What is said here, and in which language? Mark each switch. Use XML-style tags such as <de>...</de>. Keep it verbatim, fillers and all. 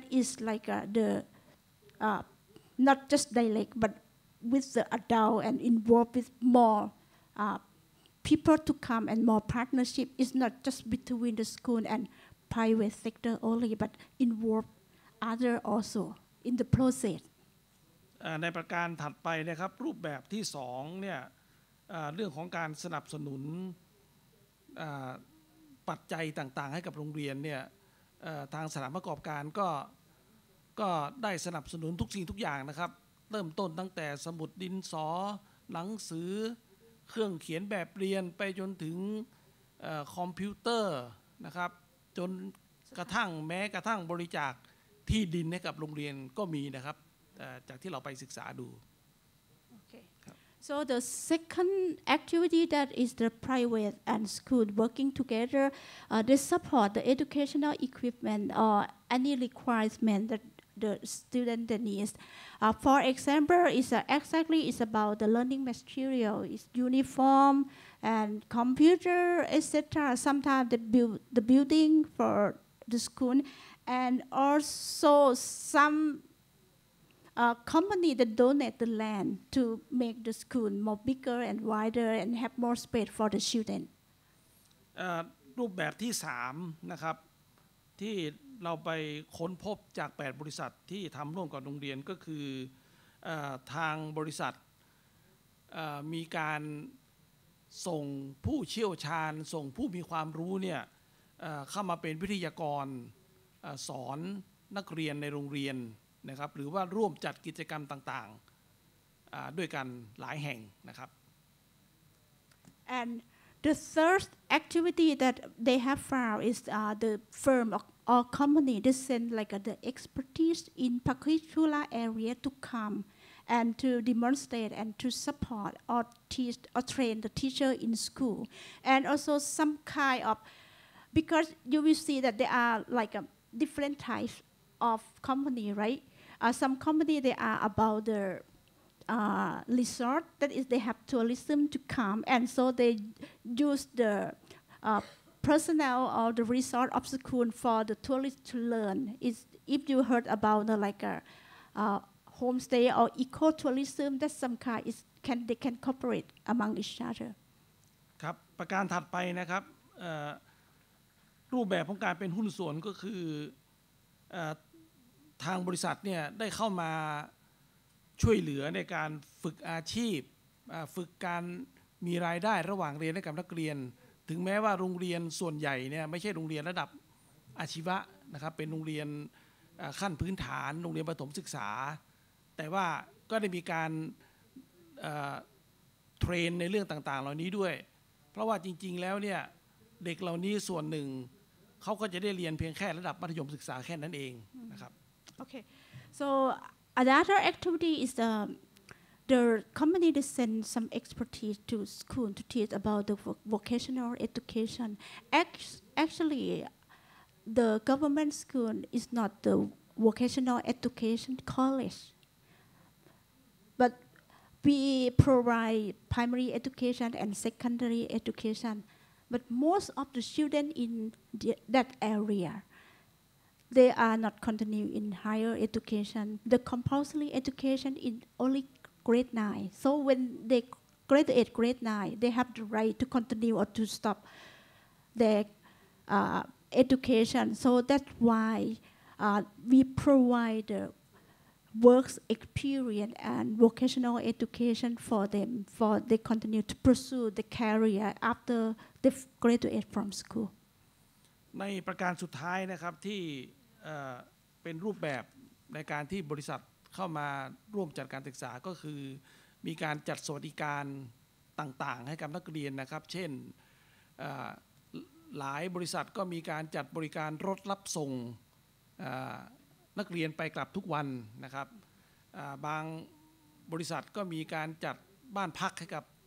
<en>That is like a, the uh, not just dialect, but with the adult and involved with more uh, people to come and more partnership. It's not just between the school and private sector only, but involved other also in the process.</en> <th>เอ่อในประการถัดไปนะครับรูปแบบที่สองเนี่ยเอ่อเรื่องของการสนับสนุนเอ่อปัจจัยต่างๆให้กับโรงเรียนเนี่ยเอ่อทางสถานประกอบการก็ ก็ได้สนับสนุนทุกสิ่งทุกอย่างนะครับเริ่มต้นตั้งแต่สมุดดินสอหนังสือเครื่องเขียนแบบเรียนไปจนถึงเอ่อคอมพิวเตอร์นะครับจนกระทั่งแม้กระทั่งบริจาคที่ดินให้กับโรงเรียนก็มีนะครับจากที่เราไปศึกษาดู</th> <en>okay. So the second activity that is the private and school working together, uh, they support the educational equipment or any requirement that the student needs. Uh, for example, it's uh, exactly it's about the learning material, it's uniform and computer, et cetera. Sometimes the build the building for the school. And also some uh, company that donate the land to make the school more bigger and wider and have more space for the children.</en> <th>เอ่อรูปแบบที่สามนะครับที่เราไปค้นพบจากแปดบริษัทที่ทำร่วมกับโรงเรียนก็คือเอ่อทางบริษัทเอ่อมีการ ส่งผู้เชี่ยวชาญส่งผู้มีความรู้เนี่ยเอ่อเข้ามาเป็นวิทยากรเอ่อสอนนักเรียนในโรงเรียนนะครับหรือว่าร่วมจัดกิจกรรมต่างๆอ่าด้วยกันหลายแห่งนะครับ</th> <en>And the third activity that they have found is uh, the firm or, or company that send like uh, the expertise in particular area to come and to demonstrate and to support or teach or train the teacher in school. And also some kind of, because you will see that there are like um, different types of company, right? Uh, some company, they are about the uh, resort, that is they have tourism to come, and so they use the uh, personnel or the resort of school for the tourists to learn. It's, if you heard about the, like a uh, homestay or ecotourism, that's some kind, is can they can cooperate among each other.</en> <th>ครับประการถัดไปนะครับเอ่อรูปแบบของการเป็นหุ้นส่วนก็คือเอ่อทางบริษัทเนี่ยได้เข้ามาช่วยเหลือในการฝึกอาชีพอ่าฝึกการมีรายได้ระหว่างเรียนให้กับนักเรียนถึงแม้ว่าโรงเรียนส่วนใหญ่เนี่ยไม่ใช่โรงเรียนระดับอาชีวะนะครับเป็นโรงเรียนอ่าขั้นพื้นฐานโรงเรียนประถมศึกษาแต่ว่าก็ได้มีการ เอ่อเทรนในเรื่องต่างๆเหล่านี้ด้วยเพราะว่าจริงๆแล้วเนี่ยเด็กเหล่านี้ส่วนหนึ่งเขาก็จะได้เรียนเพียงแค่ระดับมัธยมศึกษาแค่นั้นเองนะครับ</th> <en>Okay, so another activity is the the company that send some expertise to school to teach about the voc- vocational education. Act- Actually, the government school is not the vocational education college, but we provide primary education and secondary education. But most of the students in the, that area, they are not continuing in higher education. The compulsory education in only grade nine. So when they graduate grade nine, they have the right to continue or to stop their uh, education. So that's why uh, we provide the works experience and vocational education for them, for they continue to pursue the career after they f- graduate from school.</en> <th>ในประการสุดท้ายนะครับที่เอ่อเป็นรูปแบบในการที่บริษัทเข้ามาร่วมจัดการศึกษาก็คือมีการจัดสวัสดิการต่างๆให้กับนักเรียนนะครับเช่นเอ่อหลายบริษัทก็มีการจัดบริการรถรับส่งเอ่อนักเรียนไปกลับทุกวันนะครับเอ่อบางบริษัทก็มีการจัดบ้านพักให้กับ</th>